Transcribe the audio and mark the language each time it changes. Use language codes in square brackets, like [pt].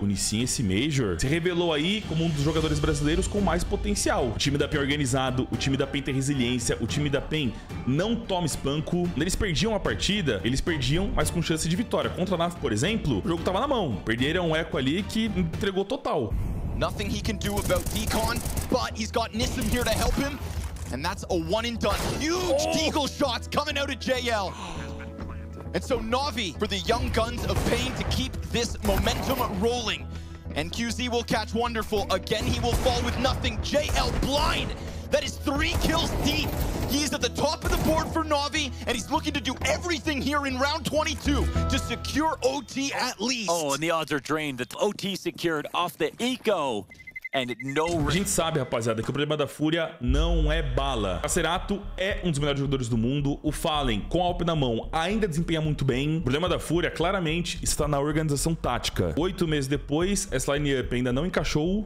[pt] O Nissin, esse Major, se revelou aí como um dos jogadores brasileiros com mais potencial. O time da PEN organizado, o time da PEN tem resiliência, o time da PEN não toma espanco. Quando eles perdiam a partida, eles perdiam, mas com chance de vitória. Contra a NAF, por exemplo, o jogo tava na mão. Perderam um eco ali, que entregou total. [en] Nothing he can do about Deacon, but he's got Nissim here to help him, and that's a one and done. Huge deagle shots coming out of JL. And so Na'Vi for the young guns of PEN to keep this momentum rolling. And QZ will catch Wonderful again. He will fall with nothing. JL blind. That is three kills deep. He is at the top of the board for Na'Vi, and he's looking to do everything here in round 22 to secure OT at least. Oh, and the odds are drained. The OT secured off the eco. And no... [pt] A gente sabe, rapaziada, que o problema da FURIA não é bala. O Cacerato é um dos melhores jogadores do mundo. O FalleN, com a AWP na mão, ainda desempenha muito bem. O problema da FURIA, claramente, está na organização tática. 8 meses depois, essa lineup ainda não encaixou.